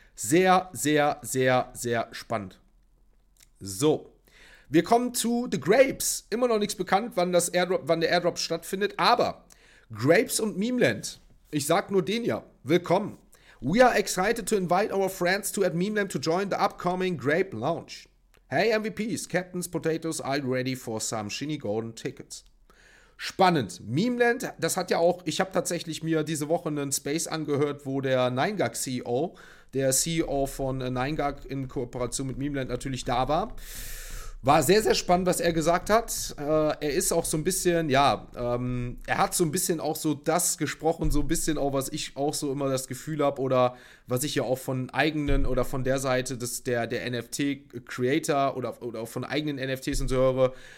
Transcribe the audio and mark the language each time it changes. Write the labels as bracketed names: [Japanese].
[German] Sehr, sehr, sehr, sehr spannend. So, wir kommen zu The Grapes. Immer noch nichts bekannt, wann der Airdrop stattfindet. Aber Grapes und Memeland, ich sag nur den ja, willkommen. [English] We are excited to invite our friends to at Memeland to join the upcoming Grape Launch. Hey MVPs, Captains, Potatoes, are you ready for some Shiny Golden Tickets? [German] Spannend. Memeland, das hat ja auch, ich habe tatsächlich mir diese Woche einen Space angehört, wo der NineGag-CEO, der CEO von NineGag in Kooperation mit Memeland natürlich da war. War sehr, sehr spannend, was er gesagt hat. Er ist auch so ein bisschen, ja, er hat so ein bisschen auch so das gesprochen, so ein bisschen auch, was ich auch so immer das Gefühl habe oder was ich ja auch von eigenen oder von der Seite des, der NFT-Creator oder von eigenen NFTs und so höre.